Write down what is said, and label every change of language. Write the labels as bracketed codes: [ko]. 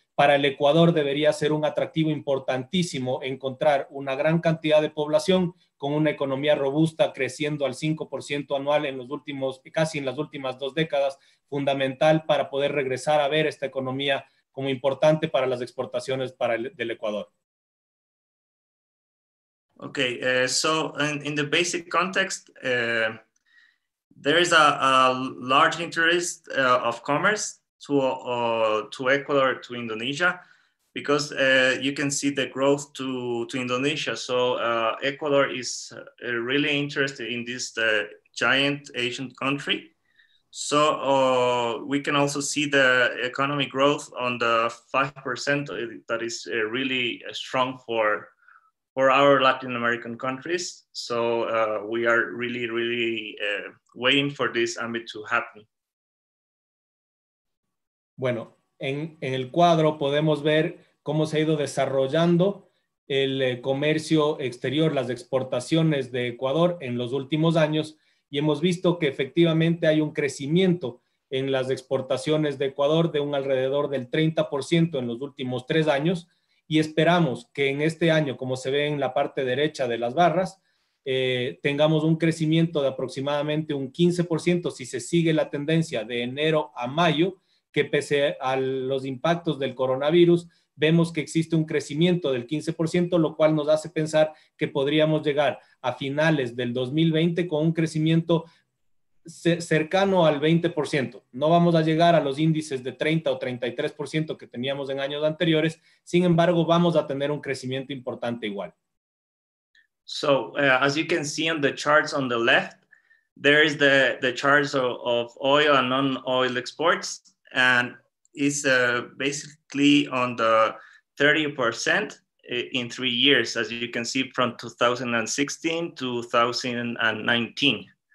[es] Para el Ecuador debería ser un atractivo importantísimo encontrar una gran cantidad de población con una economía robusta creciendo al 5% anual en los últimos, casi en las últimas dos décadas, fundamental para poder regresar a ver esta economía como importante para las exportaciones del Ecuador. [en] Ok, so in the basic context, there is a large interest of commerce to Ecuador, to Indonesia, because you can see the growth to Indonesia. So Ecuador is really interested in this giant Asian country. So we can also see the economic growth on the 5% that is really strong for our Latin American countries. So we are really, really waiting for this ambit to happen. [es] Bueno, en el cuadro podemos ver cómo se ha ido desarrollando el comercio exterior, las exportaciones de Ecuador en los últimos años y hemos visto que efectivamente hay un crecimiento en las exportaciones de Ecuador de un alrededor del 30% en los últimos tres años y esperamos que en este año, como se ve en la parte derecha de las barras, tengamos un crecimiento de aproximadamente un 15% si se sigue la tendencia de enero a mayo, que pese a los impactos del coronavirus, vemos que existe un crecimiento del 15%, lo cual nos hace pensar que podríamos llegar a finales del 2020 con un crecimiento cercano al 20%. No vamos a llegar a los índices de 30 o 33% que teníamos en años anteriores, sin embargo, vamos a tener un crecimiento importante igual. [en] So, as you can see on the charts on the left, there is the charts of oil and non-oil exports, and it's basically on the 30% in 3 years, as you can see from 2016 to 2019.